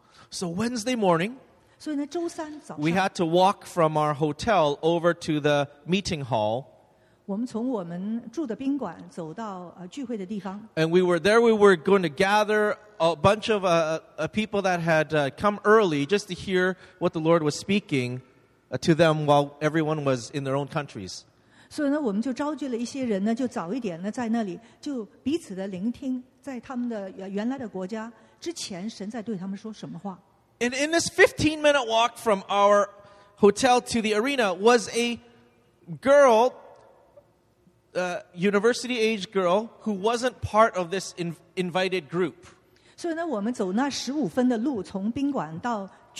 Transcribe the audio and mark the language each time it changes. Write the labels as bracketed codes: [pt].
[en] So Wednesday morning, we had to walk from our hotel over to the meeting hall. We were going to gather a bunch of people that had come early just to hear what the Lord was speaking to them while everyone was in their own countries. [zh] 所以呢，我们就召集了一些人呢，就早一点呢，在那里就彼此的聆听，在他们的原来的国家之前，神在对他们说什么话。 [en] And in this 15-minute walk from our hotel to the arena was a girl, a university-age girl, who wasn't part of this invited group. [zh] 所以呢，我们走那15分的路，从宾馆到。